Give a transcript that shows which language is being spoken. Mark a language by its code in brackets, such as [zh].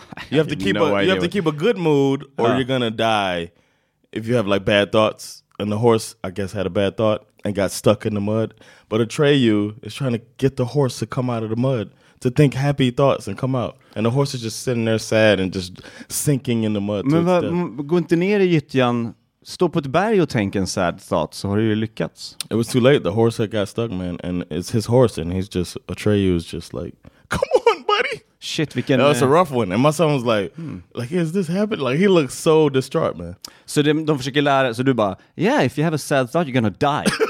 [en] You have to keep a good mood or you're gonna die if you have like bad thoughts. And the horse, I guess, had a bad thought and got stuck in the mud. But Atreyu is trying to get the horse to come out of the mud. To think happy thoughts and come out. And the horse is just sitting there sad and just sinking in the mud. [sv] Men gå inte ner i gyttjan, stå på ett berg och tänk en [en] sad thought, [sv] så har du ju lyckats. [en] It was too late, the horse had got stuck, man. And it's his horse and he's just, Atreyu is just like, come on, buddy! [sv] Shit, vilken... [en] That was a rough one. And my son was like, is this happening? Like, he looks so distraught, man. [sv] Så de försöker lära, så du bara, yeah, [en] if you have a sad thought, you're gonna die.